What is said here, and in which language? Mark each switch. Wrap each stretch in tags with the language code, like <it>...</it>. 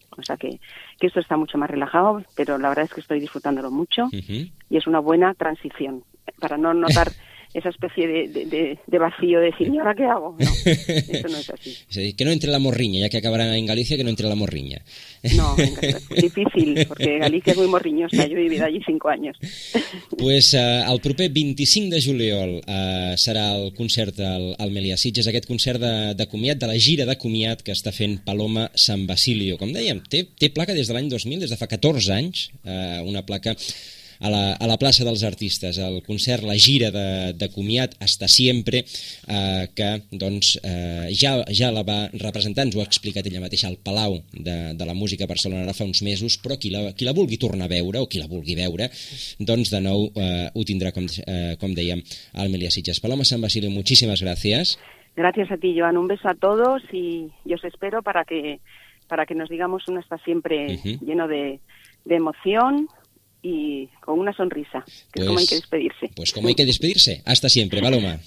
<es>O sea que esto está mucho más relajado, pero la verdad es que estoy disfrutándolo mucho, y es una buena transición para no notar esa especie de vacío de decir, ¿y ahora qué hago? No, eso no es así. Sí, que no entre la morriña, ya que acabará en Galicia, que no entre la morriña. No, venga, difícil, porque Galicia es muy morriñosa, yo he vivido allí 5 años.</es> <ca>Pues el proper 25 de juliol serà el concert al Melià Sitges, aquest concert de comiat, de la gira de comiat que està fent Paloma San Basilio. Com dèiem, té placa des de l'any 2000, des de fa 14 anys, una placa a la plaça dels artistes, el concert, la gira de comiat Hasta Siempre, que doncs, ja la va representar, ens ho ha explicat ella mateixa, al Palau de la Música Barcelona ara fa uns mesos, però qui la vulgui tornar a veure o qui la vulgui veure, doncs de nou ho tindrà, com dèiem, al Melià Sitges. Paloma San Basilio, moltíssimes gràcies. Gràcies</ca> <es>a ti,</es> <ca>Joan.</ca> <es>Un beso a todos y os espero para que nos digamos un Hasta Siempre lleno de emoción y con una sonrisa, que pues, es como hay que despedirse. Pues como hay que despedirse. Hasta siempre, Paloma.</es>